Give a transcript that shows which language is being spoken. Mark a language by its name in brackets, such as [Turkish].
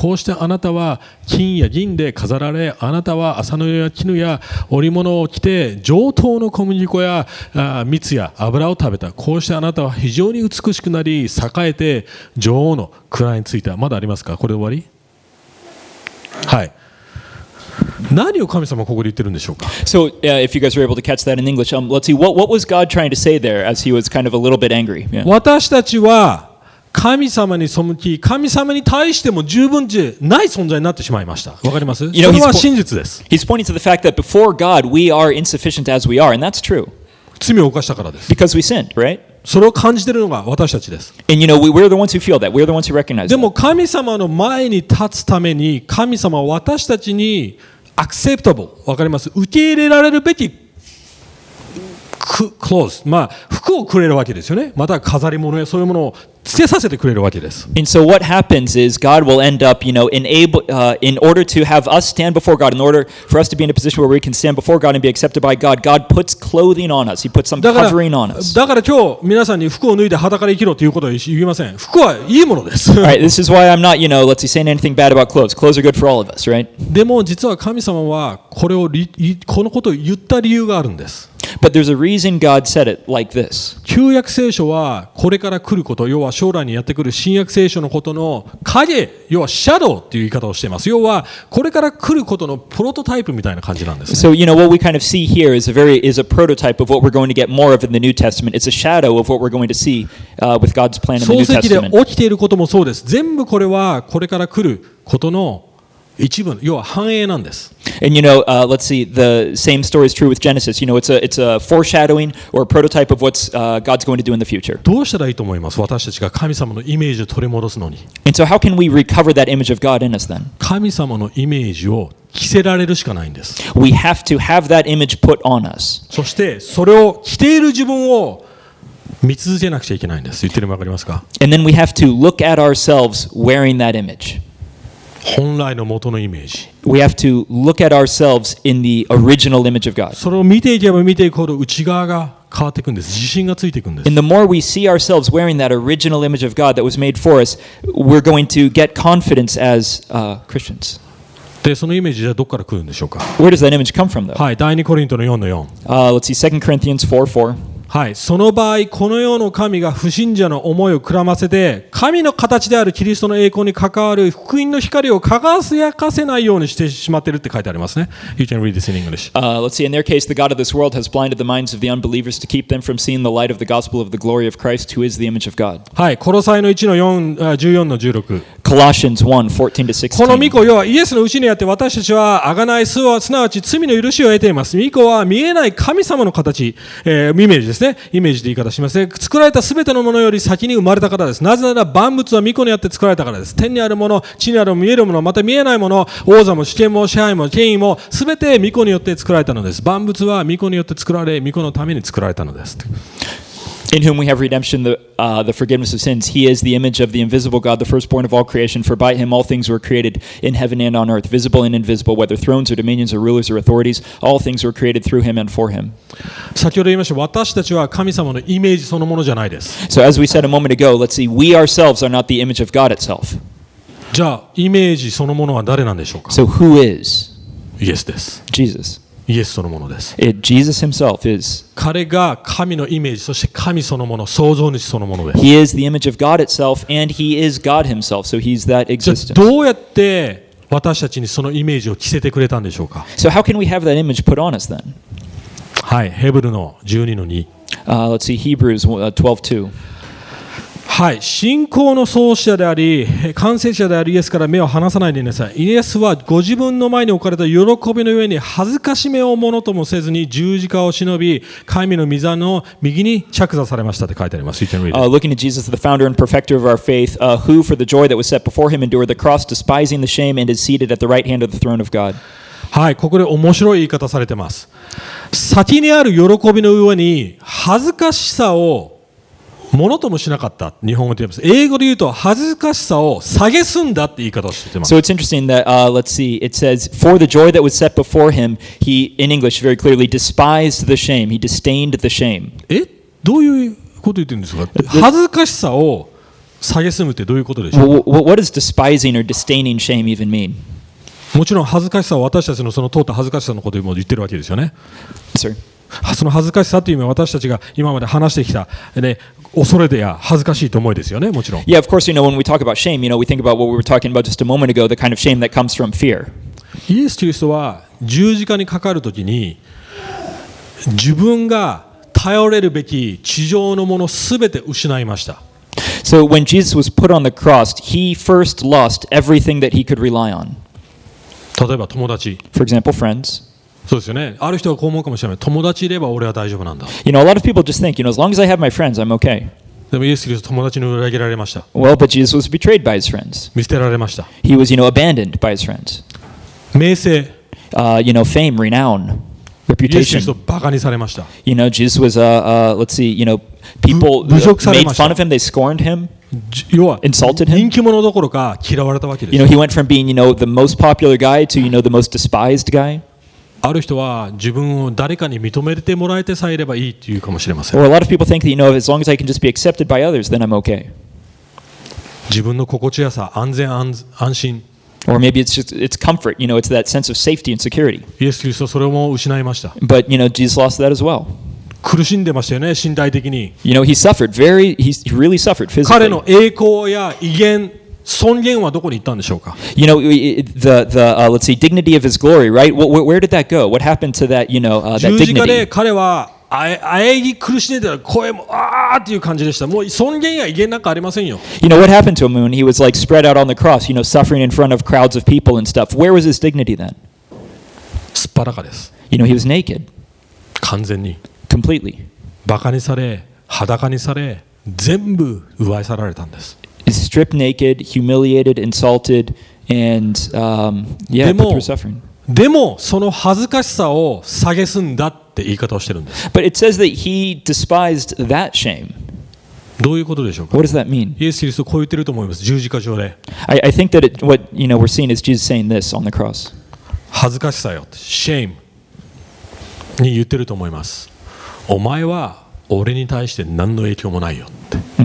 [Japanese] こうしてあなたは金や銀で飾られ、あなたは麻布や絹や織物を着て上等の小麦粉や蜜や油を食べた。こうしてあなたは非常に美しくなり栄えて女王の位についた。まだありますか、これで終わり。はい、何を神様ここで言ってるんでしょうか。 [English] So、if you guys were able to catch that in English、let's see what was God trying to say there as he was kind of a little bit angry、 yeah. [Japanese] 私たちは神様に背き、神様に対しても十分じゃない存在になってしまいました。わかります。 [English] you know, [Japanese] それは真実です。 [English] He's pointing to the fact that before God we are insufficient as we are, and that's true. [Japanese] 罪を犯したからです。 [English] Because we sinned, right? [Japanese] それを感じているのが私たちです。 [English] And you know, we're the ones who feel that. We're the ones who recognize that. [Japanese] でも神様の前に立つために、神様は私たちにアクセプタブル、わかります？受け入れられるべき clothes, まあ服をくれるわけですよね。また飾り物やそういうものを着けさせてくれるわけです。 [English] And so what happens is God will end up, you know, in order to have us stand before God, in order for us to be in a position where we can stand before God and be accepted by God, God puts clothing on us. He puts some covering on us. [Japanese] だから今日皆さんに服を脱いで裸で生きろということは言いません。服はいいものです。 [English] Right. This is why I'm not, you know, let's say anything bad about clothes. Clothes are good for all of us, right? [Japanese] でも実は神様はこれをこのことを言った理由があるんです。 [English] But there's a reason God said it like this. [Japanese] 旧約聖書はこれから来ること、要は将来にやってくる新約聖書のことの影、要はシャドウっていう言い方をしています。要はこれから来ることのプロトタイプみたいな感じなんですね。 [English] So, you know, what we kind of see here is a prototype of what we're going to get more of in the New Testament. It's a shadow of what we're going to see, with God's plan in the New Testament. [Japanese] 創世記で起きていることもそうです。全部これはこれから来ることの一部、要は繁栄なんです。 [English] And you know, let's see, the same story is true with Genesis. You know, it's a foreshadowing or a prototype of what's God's going to do in the future. [Japanese] どうしたらいいと思います？私たちが神様のイメージを取り戻すのに。 [English] And so how can we recover that image of God in us then? [Japanese] 神様のイメージを着せられるしかないんです。 [English] We have to have that image put on us. [Japanese] そしてそれを着ている自分を見続けなくちゃいけないんです。言ってるのわかりますか？ [English] And then we have to look at ourselves wearing that image. [Japanese] 本来の元のイメージ。 [English] We have to look at ourselves in the original image of God. [Japanese] それを見ていけば見ていくほど内側が変わっていくんです。自信がついていくんです。 [English] And the more we see ourselves wearing that original image of God that was made for us, we're going to get confidence as Christians. [Japanese] で、そのイメージはどこから来るんでしょうか。 [English] Where does that image come from, though? [Japanese] はい、第二コリントの4の4。 [English] Let's see, 2 Corinthians 4:4。 [Japanese] はい、その場合この世の神が不信者の思いをくらませて神の形であるキリストの栄光に関わる福音の光を輝かせないようにしてしまっているって書いてありますね。 [English] You can read this in English. Let's see, in their case the God of this world has blinded the minds of the unbelievers to keep them from seeing the light of the gospel of the glory of Christ who is the image of God. [Japanese] はい、コロサイの1の4 14の [English] 16 Colossians 1:14-16. [Japanese] この御子、要はイエスのうちにあって私たちは贖い、すなわち罪の許しを得ています。御子は見えない神様の形、イメージですね、イメージで言い方します、ね、作られた全てのものより先に生まれたからです。なぜなら万物は御子にあって作られたからです。天にあるもの、地にあるもの、見えるもの、また見えないもの、王座も主権も支配も権威も全て御子によって作られたのです。万物は御子によって作られ、御子のために作られたのです。 [English] In whom we have redemption, the forgiveness of sins. He is the image of the invisible God, the firstborn of all creation. For by him all things were created in heaven and on earth, visible and invisible, whether thrones or dominions or rulers or authorities. All things were created through him and for him. [Japanese] 先ほど言いました、私たちは神様のイメージそのものじゃないです。 [English] So as we said a moment ago, let's see, we ourselves are not the image of God itself. [Japanese] じゃあ、イメージそのものは誰なんでしょうか? [English] So who is? Yes, this. Jesus. [Japanese] イエスそのものです。 [English] Jesus himself is. [Japanese] 彼が神のイメージ、そして神そのもの、創造主そのものです。 [English] He is the image of God itself, and he is God himself. So he's that existence. [Japanese] どうやって私たちにそのイメージを着せてくれたんでしょうか。 [English] So how can we have that image put on us then? [Japanese] はい、ヘブルの12の2。 [English] Let's see, Hebrews 12:2。 [Japanese] はい、信仰の創始者であり完成者であるイエスから目を離さないでなさい。イエスはご自分の前に置かれた喜びの上に恥ずかしめをものともせずに十字架を忍び神の御座の右に着座されましたって書いてあります。 [English] You can read it. Looking at Jesus, the founder and perfecter of our faith, who for the joy that was set before him endured the cross, despising the shame, and is seated at the right hand of the throne of God. [Japanese] はい、ここで面白い言い方されてます。先にある喜びの上に恥ずかしさをものともしなかった。日本語で言います。英語で言うと恥ずかしさを下げすんだって言い方をしています。 [English] So it's interesting that, let's see, it says, for the joy that was set before him, he, in English, very clearly, despised the shame. He disdained the shame. え? [Japanese] どういうこと言ってるんですか?恥ずかしさを下げすむってどういうことでしょう? [English] What does despising or disdaining shame even mean? [Japanese] もちろん恥ずかしさは私たちのその通った恥ずかしさのことも言ってるわけですよね。 [English] Sir. [Japanese] その恥ずかしさという意味は私たちが今まで話してきた、ね、恐れでや恥ずかしいと思いですよね、もちろん。 [English] Yeah, of course, you know, when we talk about shame, you know, we think about what we were talking about just a moment ago, the kind of shame that comes from fear. [Japanese] イエス・キリストは十字架にかかるときに自分が頼れるべき地上のものすべて失いました。 [English] So when Jesus was put on the cross, he first lost everything that he could rely on. [Japanese] 例えば友達。 [English] For example, friends. [Japanese] そうですよね。ある人はこう思うかもしれない。友達いれば俺は大丈夫なんだ。 [English] You know, a lot of people just think, you know, as long as I have my friends, I'm okay. [Japanese] でもイエス・キリスト友達に裏切られました。 [English] Well, but Jesus was betrayed by his friends. [Japanese] 見捨てられました。 [English] He was, you know, abandoned by his friends. [Japanese] 名声。 [English] You know, fame, renown. reputation. [Japanese] イエス・キリストをバカにされました。 [English] You know, Jesus was let's see, you know, people made fun of him, they scorned him, insulted him. [Japanese] 人気者どころか嫌われたわけです。 [English] You know, he went from being, you know, the most popular guy to, you know, the most despised guy. [Japanese] ある人は自分を誰かに認めてもらえてさえればいいっていうかもしれません。 [English] Or a lot of people think that, you know, as long as I can just be accepted by others, then I'm okay. [Japanese] 自分の心地よさ、安全、安心。 [English] Or maybe it's just it's comfort, you know, it's that sense of safety and security. [Japanese] イエス・キリストはそれも失いました。 [English] But, you know, Jesus lost that as well. [Japanese] 苦しんでましたよね、身体的に。 [English] You know, he suffered very, he really suffered physically. [Japanese] 彼の栄光や威厳尊厳はどこに行ったんでしょうか? [English] You know, the let's see, dignity of his glory, right? Where did that go? What happened to that, you know, that dignity? [Japanese] 十字架で彼はあえぎ苦しんでたら声もあーっていう感じでした。もう尊厳や威厳なんかありませんよ。 [English] You know, what happened to him when he was like spread out on the cross, you know, suffering in front of crowds of people and stuff? Where was his dignity then? [Japanese] すっぱらかです。 [English] You know, he was naked. [Japanese] 完全に。 [English] Completely. [Japanese] バカにされ、裸にされ、全部奪い去られたんです。 [English] He's stripped naked, humiliated, insulted, and yeah, put through suffering. [Japanese] でもその恥ずかしさを下げすんだって言い方をしてるんです。 [English] But it says that he despised that shame. [Japanese] どういうことでしょうか? [English] What does that mean? [Japanese] イエス・キリストこう言ってると思います。十字架上で。 [English] I think that what you know we're seeing is Jesus saying this on the cross. [Japanese] 恥ずかしさよ、shame に言ってると思います。お前は俺に対して何の影響もないよって。